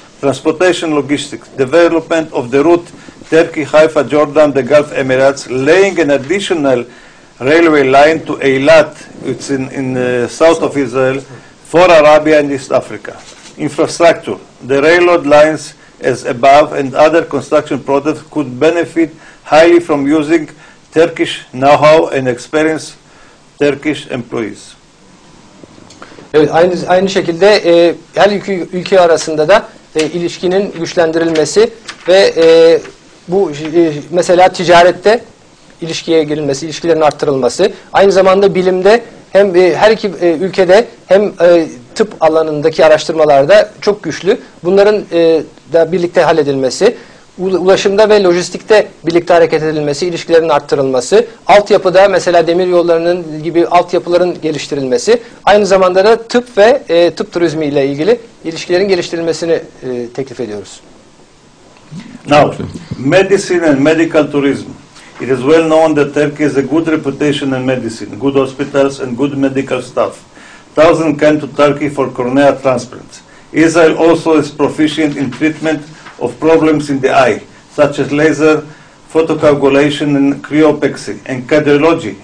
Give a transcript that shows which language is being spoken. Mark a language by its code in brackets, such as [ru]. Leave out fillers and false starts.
[en] Transportation logistics, development of the route Turkey, Haifa, Jordan, the Gulf Emirates, laying an additional railway line to Eilat, it's in the south of Israel, for Arabia and East Africa. Infrastructure, the railroad lines as above and other construction projects could benefit highly from using Turkish know-how and experience Turkish employees. [tr] Evet, aynı şekilde her iki ülke arasında da ilişkinin güçlendirilmesi ve bu mesela ticarette ilişkiye girilmesi, ilişkilerin arttırılması, aynı zamanda bilimde hem her iki ülkede hem tıp alanındaki araştırmalarda çok güçlü. Bunların da birlikte halledilmesi, ulaşımda ve lojistikte birlikte hareket edilmesi, ilişkilerin arttırılması, altyapıda mesela demir yollarının gibi altyapıların geliştirilmesi, aynı zamanda da tıp ve tıp turizmi ile ilgili ilişkilerin geliştirilmesini teklif ediyoruz. [en] Now, medicine and medical tourism. It is well known that Turkey has a good reputation in medicine, good hospitals and good medical staff. Thousands came to Turkey for cornea transplants. Israel also is proficient in treatment of problems in the eye, such as laser photocoagulation and cryopexy and cardiology.